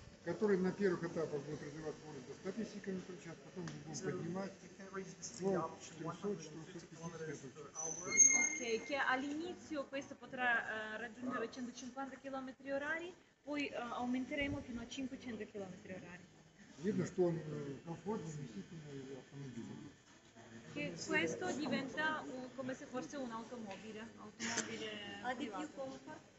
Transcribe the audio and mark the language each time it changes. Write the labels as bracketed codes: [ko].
[ru] Который на первых этапах будет развивать более до 150 км в час, потом мы будем поднимать 400-450 км/ч. [it] Окей, che all'inizio questo potrà raggiungere 150 км/h, poi aumenteremo fino a 500 km/h. [ru] Видно, что он комфортный, вместительный автомобиль. [it] Che questo diventa come se fosse un automobile, automobile privato.